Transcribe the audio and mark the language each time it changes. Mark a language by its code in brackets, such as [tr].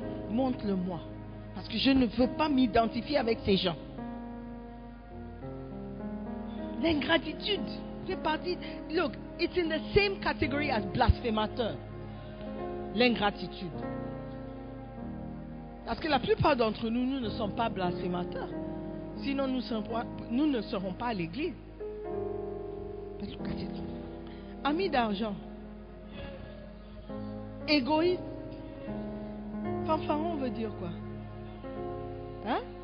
[fr] Montre-le-moi. Parce que je ne veux pas m'identifier avec ces gens. L'ingratitude fait partie. [en] Look, it's in the same category as blasphémateur. [fr] L'ingratitude. Parce que la plupart d'entre nous, nous ne sommes pas blasphémateurs. Sinon, nous ne serons pas à l'église. Amis d'argent, égoïste, fanfaron veut dire quoi? Hein?